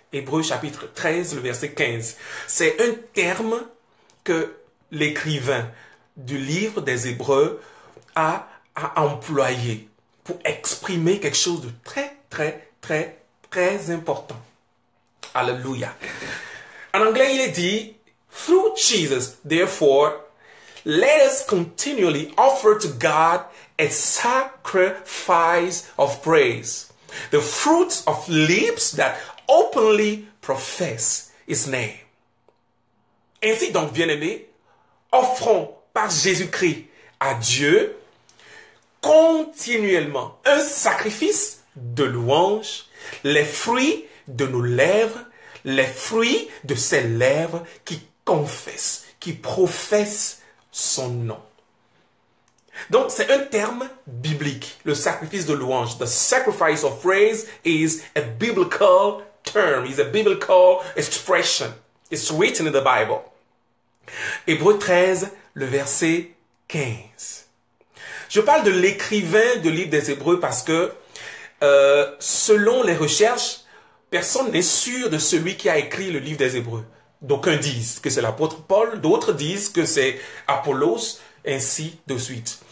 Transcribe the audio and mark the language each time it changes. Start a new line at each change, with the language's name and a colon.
French: Hébreux chapitre 13, le verset 15. C'est un terme que l'écrivain du livre des Hébreux a employé pour exprimer quelque chose de très, très, très, très important. Alléluia. En anglais, il est dit, «
English: Through Jesus, therefore, Let us continually offer to God a sacrifice of praise, the fruit of lips that openly profess his name.
French: Ainsi donc, bien-aimés, offrons par Jésus-Christ à Dieu continuellement un sacrifice de louange, les fruits de nos lèvres, les fruits de ces lèvres qui confessent, qui professent son nom. Donc, c'est un terme biblique, le sacrifice de louange.
English: The sacrifice of praise is a biblical term, is a biblical expression. It's written in the Bible.
French: Hébreux 13, le verset 15. Je parle de l'écrivain du livre des Hébreux parce que, selon les recherches, personne n'est sûr de celui qui a écrit le livre des Hébreux. D'aucuns disent que c'est l'apôtre Paul, d'autres disent que c'est Apollos, ainsi de suite.